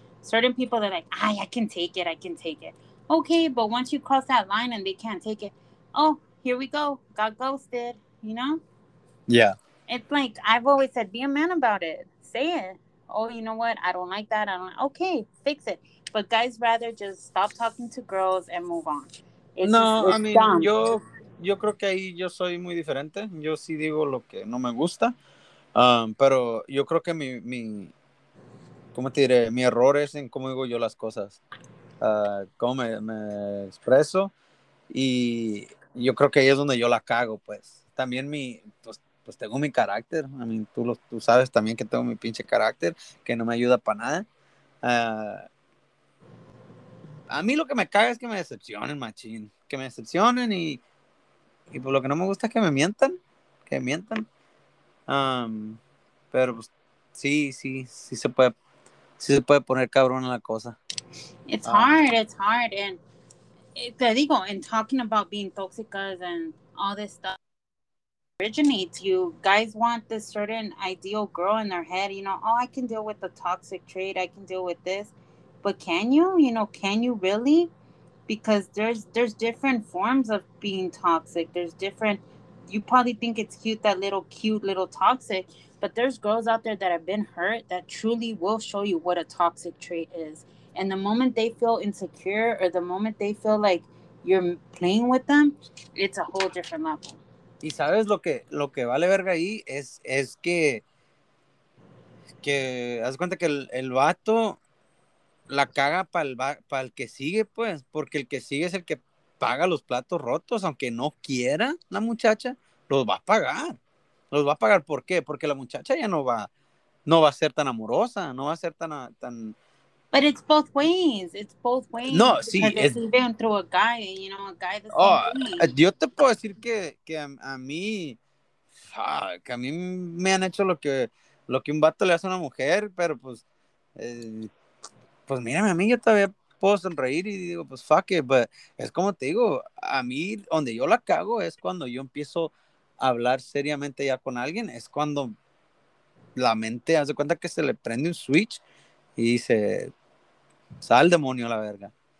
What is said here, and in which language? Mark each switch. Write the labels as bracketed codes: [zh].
[en] Certain people, they're like, I can take it. Okay, but once you cross that line and they can't take it, oh, here we go. Got ghosted, you know? Yeah. It's like, I've always said, be a man about it. Say it. Oh, you know what? I don't like that. Okay, fix it. But guys rather just stop talking to girls and move on. It's dumb. [es] Yo creo que ahí yo soy muy diferente. Yo sí digo lo que no me gusta. Pero yo creo que mi ¿cómo te diré? Mi error es en cómo digo yo las cosas. Cómo me expreso, y yo creo que ahí es donde yo la cago, pues. También pues tengo mi carácter. [en] I mean, [es] tú sabes también que tengo mi pinche carácter, que no me ayuda para nada. A mí lo que me caga es que me decepcionen, machín. Que me decepcionen y pues lo que no me gusta es que me mientan. Pero pues, sí se puede poner cabrón en la cosa. [en] It's hard, and [es] te digo, [en] and talking about being toxicas and all this stuff originates. You guys want this certain ideal girl in their head, you know, oh, I can deal with the toxic trait, I can deal with this, but can you? You know, can you really? Because there's different forms of being toxic. There's different. You probably think it's cute little toxic, but there's girls out there that have been hurt that truly will show you what a toxic trait is. And the moment they feel insecure or the moment they feel like you're playing with them, it's a whole different level. [es] Y sabes lo que vale verga ahí es que haz cuenta que el vato la caga pa el que sigue, pues, porque el que sigue es el que paga los platos rotos, aunque no quiera la muchacha, los va a pagar, ¿por qué? Porque la muchacha ya no va a ser tan amorosa, no va a ser tan [en] But it's both ways. [es] No, sí. [en] Because it's even through a guy, you know, a guy that's [es] Yo te puedo decir que a mí me han hecho lo que un vato le hace a una mujer, pero pues mírame a mí, yo todavía puedo sonreír y digo, pues [en] fuck it, [es] but es como te digo, a mí donde yo la cago es cuando yo empiezo a hablar seriamente ya con alguien, es cuando la mente hace cuenta que se le prende un switch. Y dice, sal demonio a la verga.